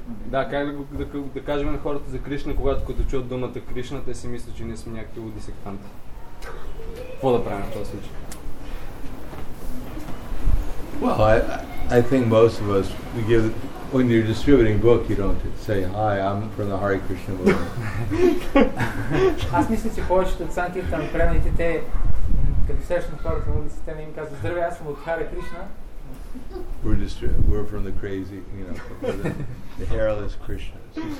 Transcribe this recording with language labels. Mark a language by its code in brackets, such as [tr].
[bg] Да, как да кажем на хората за Кришна, когато чуят думата Кришна, те си мислят, че ние сме някакви луди сектанти. Какво да правим в този случай? [en] Well, I think most of us, when you're distributing book, you don't say, hi, I'm from the Hare Krishna movement. [bg] Аз мисля, че повечето от Санкиртан преданите, те, като срещам хората на улицата, не им казва, здравей, аз съм от Hare Krishna. [en] We're from the crazy, you know, the hairless Krishnas.